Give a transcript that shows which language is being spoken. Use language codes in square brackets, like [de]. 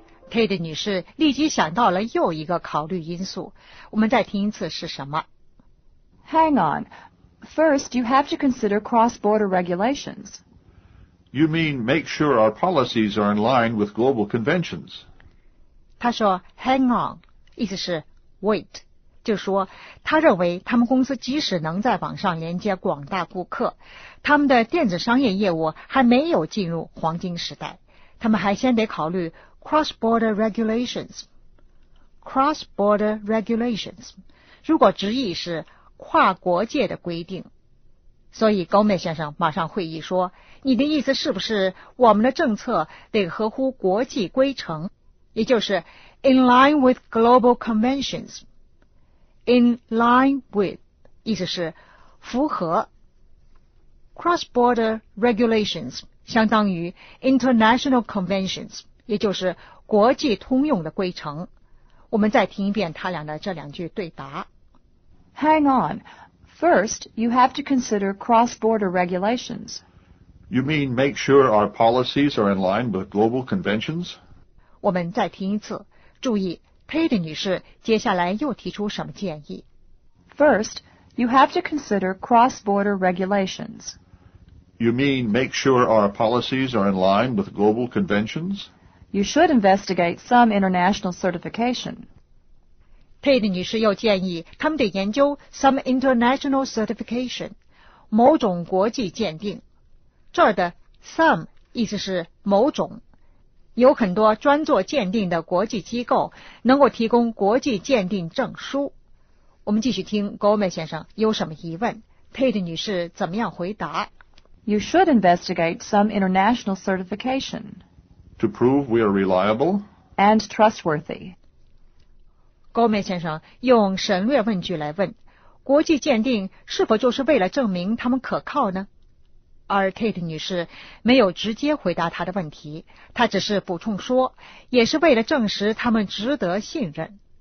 [zh] Kate 女士立即想到了又一个考虑因素，我们再听一次是什么。 [en] Hang on. First, you have to consider cross-border regulations. You mean make sure our policies are in line with global conventions. [zh] 她说 hang on, 意思是 wait, 就说她认为他们公司即使能在网上连接广大顾客，他们的电子商业业务还没有进入黄金时代，他们还先得考虑 cross-border regulations. [en] Cross-border regulations. [zh] 如果直译是跨国界的规定，所以高美先生马上会议说，你的意思是不是我们的政策得合乎国际规程，也就是 [en] in line with global conventions. [zh] In line with 意思是符合， cross-border regulations 相当于 international conventions, 也就是国际通用的规程。我们再听一遍他俩的这两句对答。 [en] Hang on. First, you have to consider cross-border regulations. You mean make sure our policies are in line with global conventions? [zh] 我们再听一次。注意 ,Kate 女士接下来又提出什么建议。 [en] First, you have to consider cross-border regulations. You mean make sure our policies are in line with global conventions? You should investigate some international certification. [zh] Kate 女士又建议他们得研究 [en] some international certification, [zh] 某种国际鉴定。这儿的 some 意思是某种，有很多专做鉴定的国际机构能够提供国际鉴定证书。我们继续听 Gomez 先生有什么疑问， Kate 女士怎么样回答。 [en] You should investigate some international certification. To prove we are reliable and trustworthy. [zh] 高美先生用省略问句来问，国际鉴定是否就是为了证明他们可靠呢？而 Kate 女士没有直接回答他的问题，她只是补充说，也是为了证实他们值得信任。